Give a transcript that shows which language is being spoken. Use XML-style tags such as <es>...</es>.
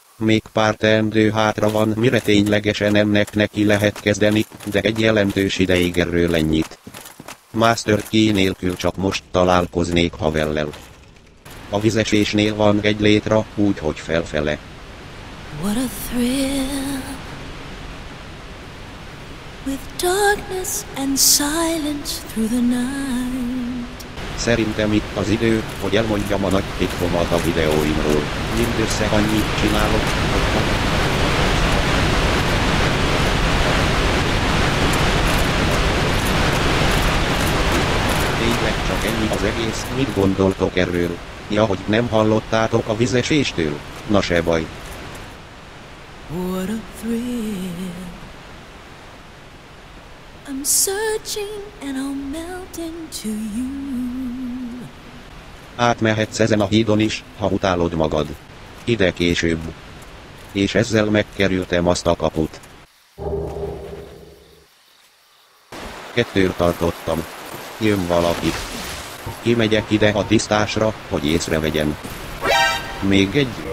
<hu>Még pár teendő hátra van, mire ténylegesen ennek neki lehet kezdeni, de egy jelentős ideig erről ennyit. Master Key nélkül csak most találkoznék Havellel. A vizesésnél van egy létra, úgyhogy felfele.</hu> <en>What a thrill. With darkness and silence through the night.</en> <hu>Szerintem itt az idő, hogy elmondjam a nagy titkomat a videóimról. Mindössze annyit csinálok. Tényleg csak ennyi az egész, mit gondoltok erről? Ja, hogy nem hallottátok a vizeséstől? Na se baj.</hu> <en>What a thrill. I'm searching and I'll melt into you.</en> <hu>Átmehetsz ezen a hídon is, ha utálod magad. Ide később. És ezzel megkerültem azt a kaput. Kettőt tartottam. Jön valaki. Kimegyek ide a tisztásra, hogy észrevegyem. Még egy?</hu>